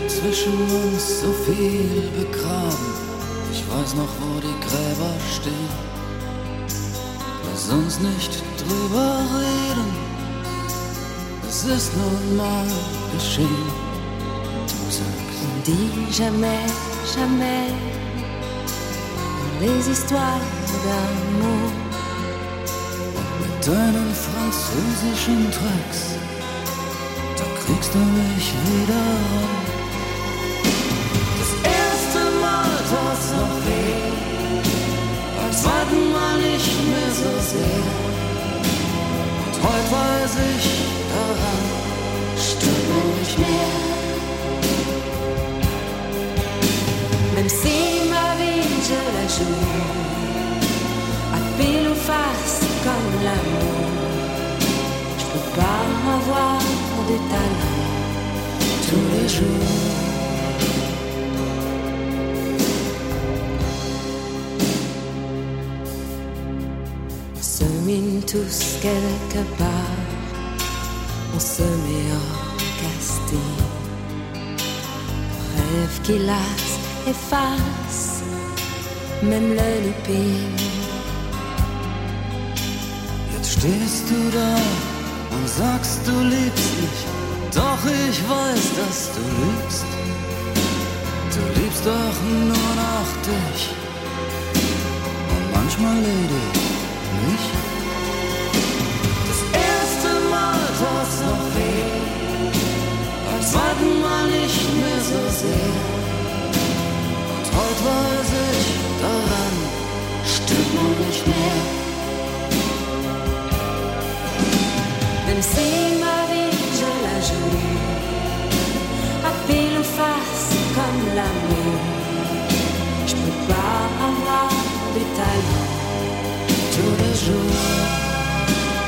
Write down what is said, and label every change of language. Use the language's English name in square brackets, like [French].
[German] Ich schon so viel begraben. Ich weiß noch, wo die Gräber stehen. Lass uns nicht drüber reden. Es ist nun mal geschehen. Du sagst, [French] on dit jamais, jamais dans les histoires d'amour. [German] Mit deinen französischen Tracks, da kriegst du mich wieder rum. Das erste Mal tat's noch weh, beim zweiten Mal nicht mehr so sehr. Und heute weiß ich daran, stört man nicht mehr. [French] Même si ma vie je la joue à pile ou face comme l'amour, je peux pas avoir des talents tous les jours. On se mine tous quelque part, on se met en casting. Rêve qui lasse, efface même le loupé. [German] Jetzt stehst du da und sagst, du liebst mich. Doch ich weiß, dass du lügst. Du liebst doch nur noch dich und manchmal ledig mich. Das erste Mal tat's noch weh, beim zweiten Mal nicht mehr so sehr. Heute weiß ich daran, stimmt nur nicht mehr. [French] Même si ma vie je la joue à pile ou face comme l'amour, je peux pas avoir des talents tous les jours.